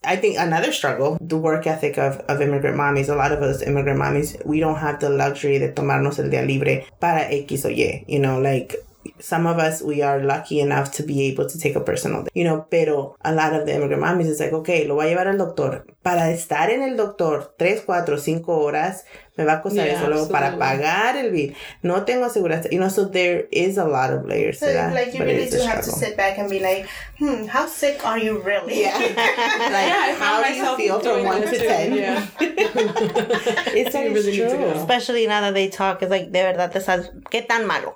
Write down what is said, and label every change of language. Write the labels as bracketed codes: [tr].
[en] I think another struggle, the work ethic of immigrant mommies, a lot of us immigrant mommies, we don't have the luxury [es] de tomarnos el día libre para X o Y, [en] you know, like some of us, we are lucky enough to be able to take a personal day, you know, pero a lot of the immigrant mommies, it's like, okay, [es] lo voy a llevar al doctor. Para estar en el doctor 3, 4, 5 horas, me va a costar eso. Absolutely. Luego para pagar el bill. No tengo aseguranza. [en] You know, so there is a lot of layers to that. Like, you really do have to sit back and be like, how sick are you really? Yeah. Like, yeah, how do you feel from 1 to 10? Yeah. It's really true. Especially now that they talk, it's like, [es] de verdad, te estás, ¿qué tan malo?